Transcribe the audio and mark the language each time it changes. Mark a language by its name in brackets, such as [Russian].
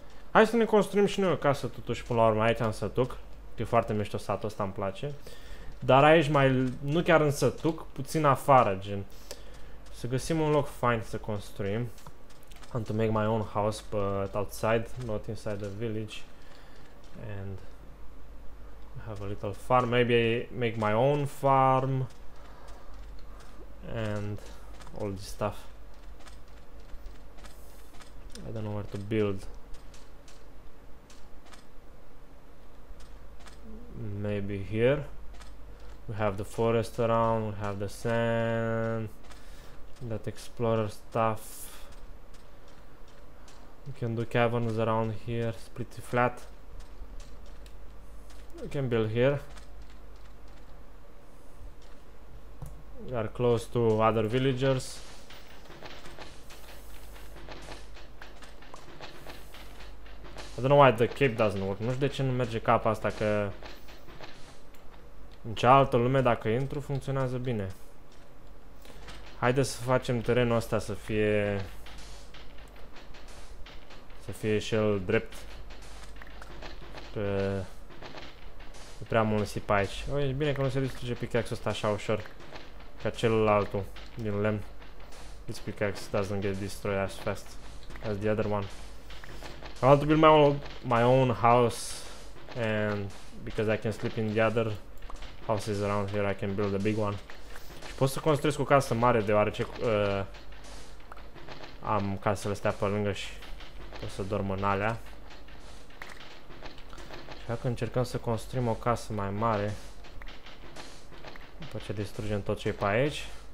[Romanian] Hai să ne construim și noi o casă totuși până la urmă aici în sătuc. E foarte mișto satul ăsta, îmi place. Dar aici mai, nu chiar în sătuc, puțin afară, gen. Să găsim un loc fain să construim. [English] And to make my own house, but outside, not inside the village. And I have a little farm, maybe I make my own farm. And all this stuff. I don't know where to build. Maybe here. We have the forest around, we have the sand, that explorer stuff. We can do caverns around here, it's pretty flat. We can build here. We are close to other villagers. I don't know why the cape doesn't work. [Romanian] Nu știu de ce nu merge capa asta, că... În cealaltă lume, dacă intru, funcționează bine. Haide să facem terenul ăsta să fie... Să fie și el drept. Că... E prea mult nisip aici. O, e bine că nu se distruge pickaxe-ul ăsta așa ușor. Ca celălalt din lemn. This pickaxe doesn't get destroyed as fast as the other one. I want to build my own house. And because I can sleep in the other... Houses around here, I can build a big one. Și pot să construiesc o casă mare, deoarece am casele astea pe lângă și pot să dorm în alea. Dacă încercăm să construim o casă mai mare, după ce distrugem tot ce e pe aici.